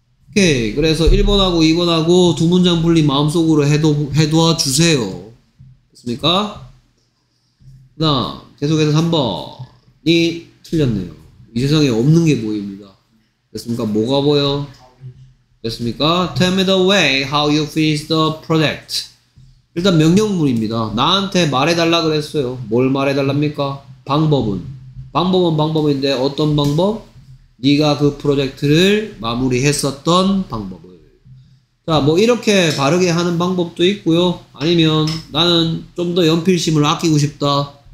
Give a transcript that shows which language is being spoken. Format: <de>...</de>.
<ko>오케이. 그래서 1번하고 2번하고 두 문장 분리 마음속으로 해둬 주세요. 됐습니까? 나 계속해서 3번이 틀렸네요. 이 세상에 없는 게 보입니다. 됐습니까? 뭐가 보여? 됐습니까?</ko> <en>Tell me the way how you finish the project.</en> <ko>일단 명령문입니다. 나한테 말해달라 그랬어요. 뭘 말해달랍니까? 방법은. 방법은 방법인데 어떤 방법? 네가 그 프로젝트를 마무리했었던 방법을. 자, 뭐 이렇게 바르게 하는 방법도 있고요. 아니면 나는 좀 더 연필심을 아끼고 싶다.</ko>